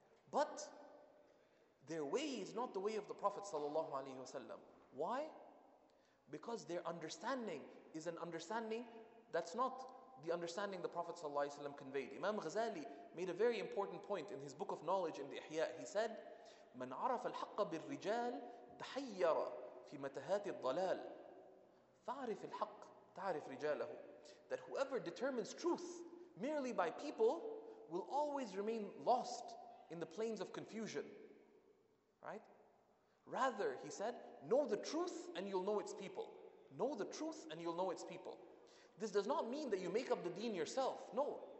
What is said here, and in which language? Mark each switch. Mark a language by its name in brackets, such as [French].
[English] But their way is not the way of the Prophet sallallahu alaihi wasallam. Why? Because their understanding is an understanding that's not the understanding the Prophet sallallahu alaihi wasallam conveyed. Imam Ghazali made a very important point in his book of knowledge in the Ihya. He said, [Arabic] "من عرف الحق بالرجال تحير في متاهات الضلال فعرف الحق تعرف رجاله." [English] That whoever determines truth merely by people will always remain lost in the plains of confusion. Right? Rather, he said, know the truth and you'll know its people. Know the truth and you'll know its people. This does not mean that you make up the deen yourself. No.